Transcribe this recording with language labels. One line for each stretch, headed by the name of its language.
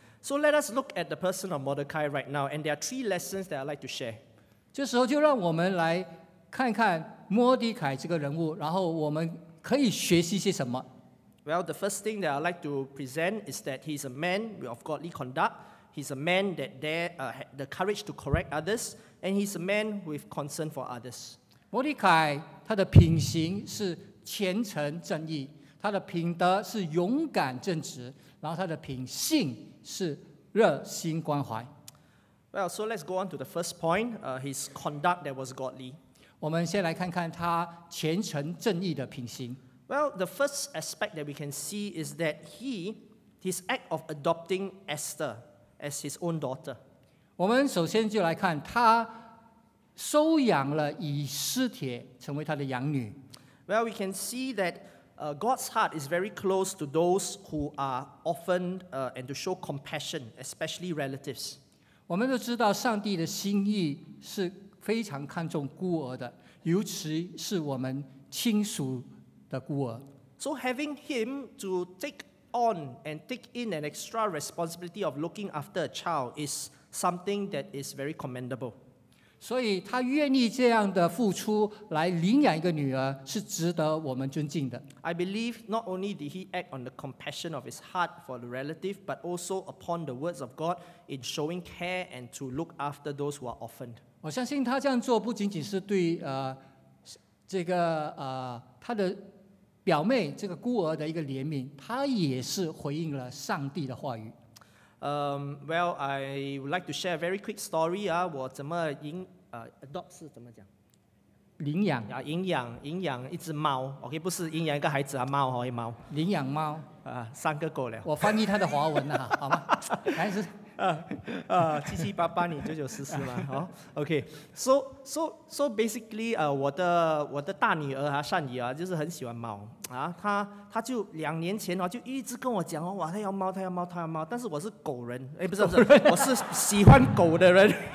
English: So let us look at the person of Mordecai right now, and there are three lessons that I'd like to share.
Chinese: 这时候就让我们来看看摩迪凯这个人物，然后我们可以学习些什么。
English: Well, the first thing that I'd like to present is that he's a man of godly conduct. He's a man that had the courage to correct others, and he's a man with concern for others.
Chinese: 摩迪凯他的品行是虔诚正义，他的品德是勇敢正直，然后他的品性是热心关怀。
English: Well, so let's go on to the first point, his conduct that was godly.
Chinese: 我们先来看看他虔诚正义的品行。
English: Well, the first aspect that we can see is that his act of adopting Esther as his own daughter.
Chinese: 我们首先就来看他收养了以斯帖成为他的养女。
English: Well, we can see that God's heart is very close to those who are orphaned and to show compassion, especially relatives.
Chinese: 我们都知道上帝的心意是非常看重孤儿的，尤其是我们亲属的孤儿。
English: So having him to take on and take in an extra responsibility of looking after a child is something that is very commendable.
Chinese: 所以他愿意这样的付出来领养一个女儿，是值得我们尊敬的。
English: I believe not only did he act on the compassion of his heart for the relative, but also upon the words of God in showing care and to look after those who are orphaned.
Chinese: 我相信他这样做不仅仅是对他的表妹这个孤儿的一个怜悯，她也是回应了上帝的话语。
English: Well, I would like to share a very quick story.
Chinese: 我怎么赢adopt 是怎么讲？领养啊，领养一只猫 ，OK， 不是领养一个孩子啊，猫哦，猫。领养猫啊，三个狗了。我翻译他的华文啊，好吗？还是七七八八，你九九四四嘛，哦 ，OK。
English: So basically，
Chinese: 我的大女儿啊，善宇啊，就是很喜欢猫啊，她就两年前啊，就一直跟我讲哦，哇，她要猫，但是我是狗人，哎，不是，我是喜欢狗的人。